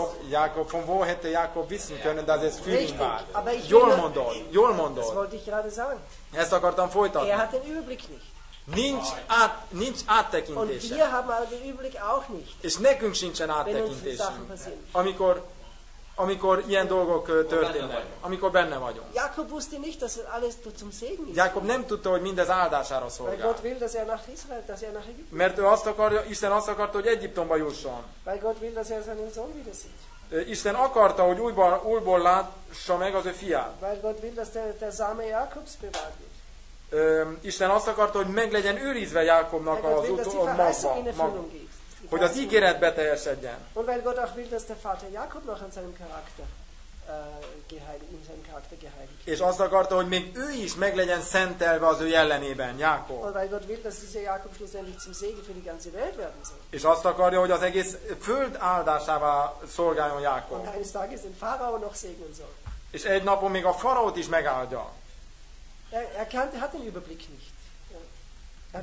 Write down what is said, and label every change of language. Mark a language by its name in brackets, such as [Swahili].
[German] Jakob, von wo hätte Jakob wissen können, dass es für ihn war? [Hungarian] Jól mondod. Ezt akartam folytatni. [German] Er hat den Überblick nicht. [Hungarian] Nincs áttekintése. [German] Und wir haben aber den Überblick auch nicht. [Hungarian] És nekünk sincsen áttekintésünk. Amikor ilyen dolgok történnek, amikor benne vagyunk. [German] Jakob wusste nicht, dass alles zum Segen ist. [Hungarian] Jakob nem tudta, hogy mindez áldására szolgál. [German] Weil Gott will, dass er nach Israel, dass er nach Egypt. [Hungarian] Mert ő azt akarja, Isten azt akarta, hogy Egyiptomba jusson. [German] Weil Gott will, dass er seinen Sohn wieder sieht. [Hungarian] Isten akarta, hogy újból lássa meg az ő fiát. [German] Weil Gott will, dass der Same Jakobs bewahrt wird. [Hungarian] Isten azt akarta, hogy meg legyen őrizve Jákobnak az utolsó maga. Hogy az ígéret beteljesedjen. [German] Und weil Gott auch will, dass der Vater Jakob noch an seinem Charakter geheiligt. [Hungarian] És azt akarta, hogy még ő is meglegyen szentelve az ő jellemében, Jákob. [German] Und weil Gott will, dass dieser Jakob schlussendlich zum Segen für die ganze Welt werden soll. [Hungarian] És azt akarja, hogy az egész föld áldásává szolgáljon Jákob. [German] Und eines Tages den Pharao noch segnen soll. [Hungarian] És egy napon még a faraót is megáldja. [German] Er hat den Überblick nicht.